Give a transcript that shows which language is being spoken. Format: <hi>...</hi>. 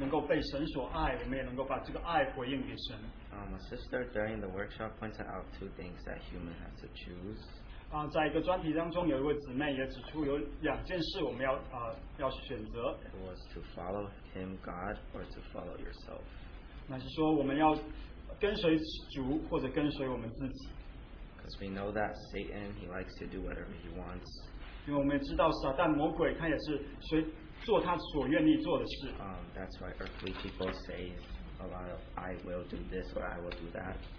<zh>所以我们被造，乃是说我们能够被神所爱，我们也能够把这个爱回应给神。</zh> <en>A sister during the workshop pointed out two things that human has to choose.</en> <zh>在一个专题当中，有一位姊妹也指出有两件事我们要选择。</zh> <en>It was to follow Him, God, or to follow yourself.</en> <zh>乃是说我们要跟随主，或者跟随我们自己。</zh> <en>Because we know that Satan, he likes to do whatever he wants.</en> <zh>因为我们知道撒旦魔鬼，他也是随。做他所愿意做的事。</zh> <en>That's why earthly people say a lot of I will do this or I will do that.</en>